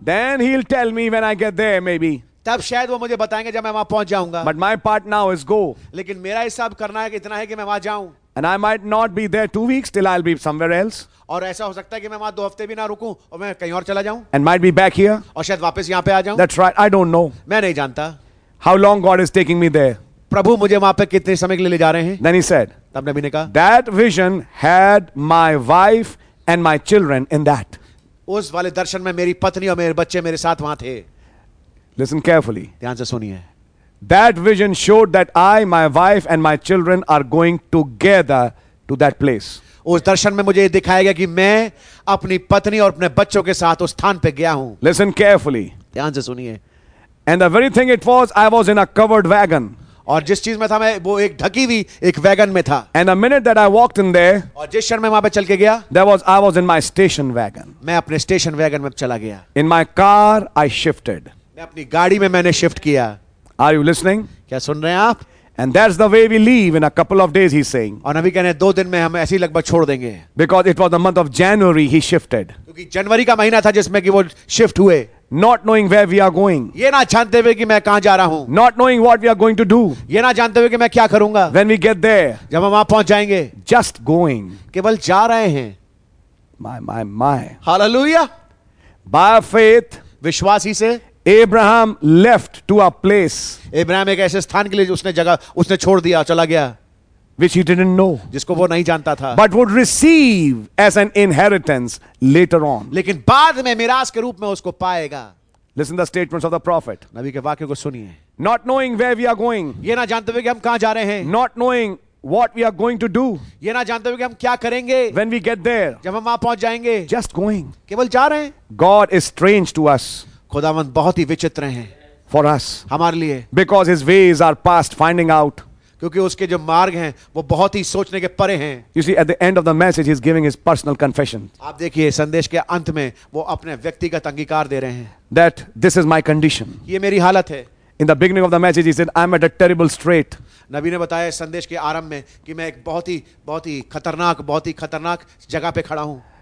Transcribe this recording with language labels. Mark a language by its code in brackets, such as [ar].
[en] Then he'll tell me when I get there maybe. [hi] तब शायद वो मुझे बताएंगे जब मैं वहां पहुंच जाऊंगा. [en] But my part now is go. [hi] लेकिन मेरा हिसाब करना है कि इतना है कि मैं वहां जाऊं. [en] And I might not be there 2 weeks till I'll be somewhere else. [hi] और ऐसा हो सकता है कि मैं वहां 2 हफ्ते भी ना रुकूं और मैं कहीं और चला जाऊं. [en] And might be back here. [hi] और शायद वापस यहां पे आ जाऊं. [en] That's right. I don't know. [hi] मैं नहीं जानता. [en] How long God is taking me there? [hi] प्रभु मुझे वहां पे कितने समय के लिए ले जा रहे हैं? [en] Then he said. [hi] तब नबी ने कहा. [en] That vision had my wife and my children in that. [hi] उस वाले दर्शन में मेरी पत्नी और मेरे बच्चे मेरे साथ वहां थे. [en] Listen carefully. [hi] ध्यान से सुनिए. [en] That vision showed that I, my wife and my children are going together to that place. [hi] उस दर्शन में मुझे दिखाया गया कि मैं अपनी पत्नी और अपने बच्चों के साथ उस स्थान पे गया हूं. [en] Listen carefully. [hi] ध्यान से सुनिए. [en] And the very thing it was, I was in a covered wagon. [hi] और जिस चीज में था मैं वो एक ढकी हुई एक वैगन में था. [en] And the minute that I walked in there, [hi] और जिस क्षण में वहां पे चल के गया, [en] I was in my station wagon. [hi] मैं अपने स्टेशन वैगन में चला गया. [en] In my car, I shifted. [hi] मैं अपनी गाड़ी में मैंने शिफ्ट किया. [en] Are you listening? [hi] क्या सुन रहे हैं आप? [en] And that's the way we leave in a couple of days, he's saying. [hi] और अभी कहने दो दिन में हम ऐसे ही लगभग छोड़ देंगे. [en] Because it was the month of January, he shifted. [hi] क्योंकि जनवरी का महीना था जिसमें कि वो shift हुए. [en] Not knowing where we are going. [hi] ये ना जानते हुए कि मैं कहाँ जा रहा हूँ. [en] Not knowing what we are going to do. [hi] ये ना जानते हुए कि मैं क्या करूँगा. [en] When we get there. [hi] जब हम वहाँ पहुँच जाएंगे. [en] Just going. [hi] केवल जा रहे हैं. [en] My. Hallelujah. By faith. [hi] विश्वास ही से. [en] Abraham left to a place. [hi] Abraham एक ऐसे स्थान के लिए उसने जगह उसने छोड़ दिया चला गया. [en] Which he didn't know. [hi] जिसको वो नहीं जानता था. [en] But would receive as an inheritance later on. [hi] लेकिन बाद में मिराज के रूप में उसको पाएगा. [en] Listen to the statements of the prophet. [hi] नबी के वाक्य को सुनिए. [en] Not knowing where we are going. [hi] ये ना जानते हुए कि हम कहाँ जा रहे हैं. [en] Not knowing what we are going to do. [hi] ये ना जानते हुए कि हम क्या करेंगे. [en] When we get there. [hi] जब हम वहां पहुंच जाएंगे. [en] Just going. [hi] केवल जा रहे हैं. [en] God is strange to us. [hi] खुदावंद बहुत ही विचित्र हैं. [en] For us. [hi] हमारे लिए. [en] Because his ways are past finding out. [hi] क्योंकि उसके जो मार्ग हैं वो बहुत ही सोचने के परे हैं. [en] You see, at the end of the message, he's giving his personal confession. [hi] आप देखिए संदेश के अंत में वो अपने व्यक्तिगत अंगीकार दे रहे हैं. [en] That this is my condition. [hi] ये मेरी हालत है. [en] In the beginning of the message, he said, I'm at a terrible strait. [hi] नबी ने बताया संदेश के आरंभ में कि मैं एक बहुत ही खतरनाक जगह पे खड़ा हूं.